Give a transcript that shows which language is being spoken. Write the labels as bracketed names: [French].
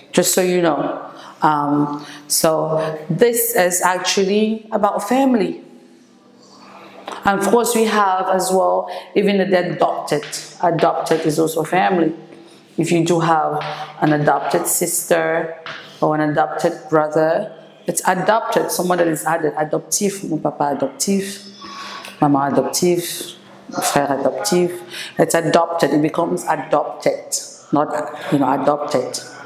[English] Just so you know. So this is actually about family. And of course we have as well, even the adopted is also family. If you do have an adopted sister or an adopted brother, it's adopted, someone that is added. [French] Adoptif, mon papa adoptif, maman adoptif, frère adoptif. [English] It's adopted, it becomes adopted, not, you know, adopted.